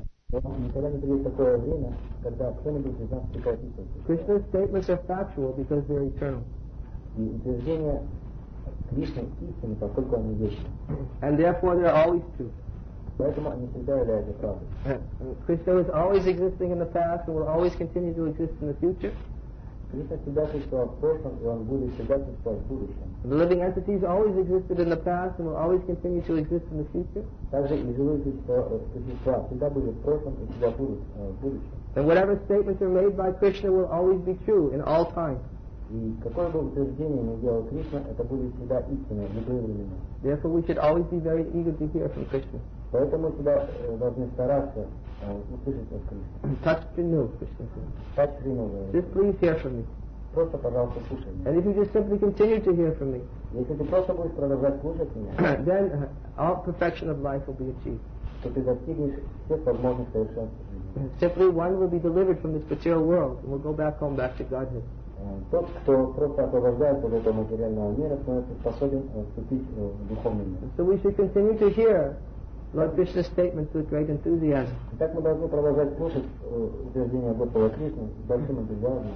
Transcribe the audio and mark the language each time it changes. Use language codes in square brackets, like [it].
[ru] Никогда не придет такое время, когда кто-нибудь из нас не поописывается. [en] Krishna's statements are factual because they're eternal. [ru] И утверждения Кришны истинны, поскольку они вечны. [en] And therefore they're always true. [ru] Поэтому они всегда являются правдой. [en] Krishna is always existing in the past and will always continue to exist in the future. [ru] Кришна всегда существовал в прошлом, и он будет всегда существовать в будущем. [en] The living entities always existed in the past and will always continue to exist in the future. [ru] Также и живые существа всегда были в прошлом и всегда будут в будущем. [en] And whatever statements are made by Krishna will always be true in all time. [ru] И какое бы утверждение ни делал Кришна, это будет всегда истинное в любые времена. [en] Therefore we should always be very eager to hear from Krishna. [ru] Поэтому всегда должны стараться услышать от Кришны. [en] Touch the nose, Krishna says. Touch the nose. Just please hear from me. [ru] Просто, пожалуйста, слушай меня. [en] And if you just simply continue to hear from me, [ru] если ты просто будешь продолжать слушать меня, [en] then all perfection of life will be achieved. [ru] То ты достигнешь всех возможных совершенств. [en] Simply one will be delivered from this material world and will go back home, back to Godhead. [ru] Тот, кто просто освобождается от этого материального мира, становится способен вступить в духовный мир. [en] So we should continue to hear Lord Krishna's statement with great enthusiasm. [ru] Так мы должны продолжать слушать утверждения Господа Кришны с большим энтузиазмом.